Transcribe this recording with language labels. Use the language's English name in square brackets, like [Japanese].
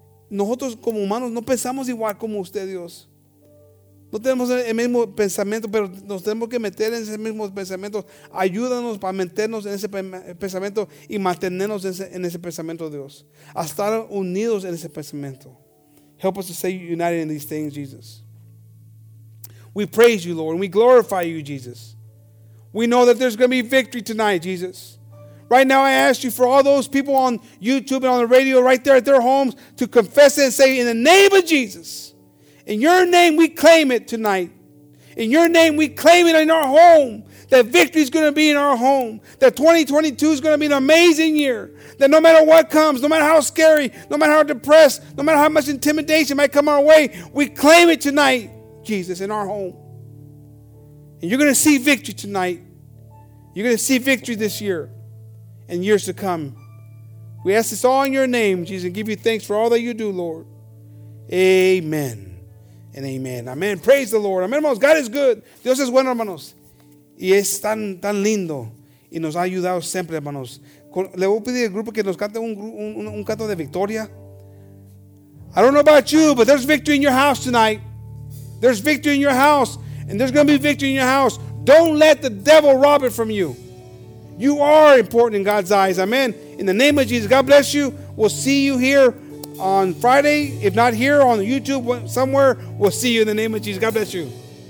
[Spanish] Nosotros como humanos no pensamos igual como usted, Dios. No tenemos el mismo pensamiento, pero nos tenemos que meter en ese mismo pensamiento. Ayúdanos para meternos en ese pensamiento y mantenernos en ese pensamiento, Dios. A estar unidos en ese pensamiento. [English] Help us to stay united in these things, Jesus. We praise you, Lord, and we glorify you, Jesus. We know that there's going to be victory tonight, Jesus. Right now, I ask you for all those people on YouTube and on the radio right there at their homes to confess it and say, in the name of Jesus, in your name, we claim it tonight. In your name, we claim it in our home, that victory is going to be in our home, that 2022 is going to be an amazing year, that no matter what comes, no matter how scary, no matter how depressed, no matter how much intimidation might come our way, we claim it tonight, Jesus, in our home. And you're going to see victory tonight. You're going to see victory this year and years to come. We ask this all in your name, Jesus, and give you thanks for all that you do, Lord. Amen. And amen. Amen. Praise the Lord. Amen, hermanos. God is good. Dios es bueno, hermanos. [Spanish] Y es tan, tan lindo. Y nos ha ayudado siempre, hermanos. Le voy a pedir al grupo que nos cante un canto de victoria. [English] I don't know about you, but there's victory in your house tonight. There's victory in your house. And there's going to be victory in your house. Don't let the devil rob it from you. You are important in God's eyes. Amen. In the name of Jesus, God bless you. We'll see you here on Friday. If not here, on YouTube, somewhere. We'll see you in the name of Jesus. God bless you.